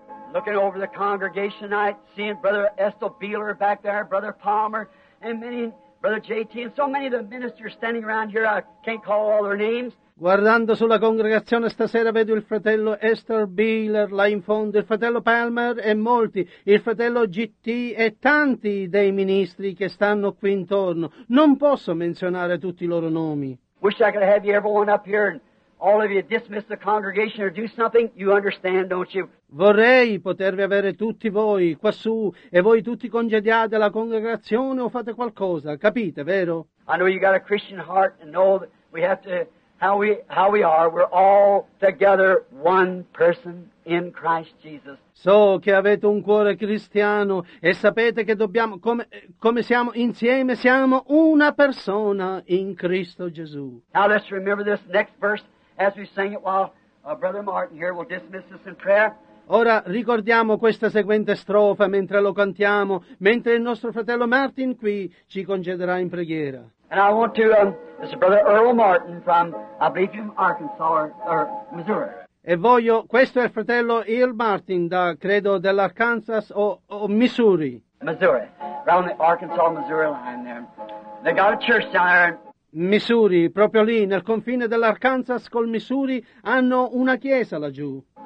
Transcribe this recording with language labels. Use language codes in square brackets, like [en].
[en] Looking over the congregation tonight, seeing Brother Estel Beeler back there, Brother Palmer, and many, Brother J.T., and so many of the ministers standing around here, I can't call all their names. [it] Guardando sulla congregazione stasera, vedo il fratello Estel Beeler là in fondo, il fratello Palmer e molti, il fratello G.T. e tanti dei ministri che stanno qui intorno. Non posso menzionare tutti i loro nomi. [en] Wish I could have you everyone up here. All of you dismiss the congregation or do something, you understand, don't you? [it] Vorrei potervi avere tutti voi quassù e voi tutti congediate la congregazione o fate qualcosa, capite, vero? [en] I know you got a Christian heart and know that we have to how we are, we're all together one person in Christ Jesus. [it] So che avete un cuore cristiano e sapete che dobbiamo come siamo insieme, siamo una persona in Cristo Gesù. [en] Now let's remember this next verse. As we sing it while Brother Martin here will dismiss us in prayer. [it] Ora ricordiamo questa seguente strofa mentre lo cantiamo, mentre il nostro fratello Martin qui ci concederà in preghiera. [en] And I want to, this is Brother Earl Martin from, I believe from Arkansas or Missouri. [it] E voglio, questo è il fratello Earl Martin da, credo, dell'Arkansas o Missouri. [en] Missouri, around the Arkansas-Missouri line there. They got a church down there. [it] Missouri, proprio lì, nel confine dell'Arkansas col Missouri, hanno una chiesa laggiù.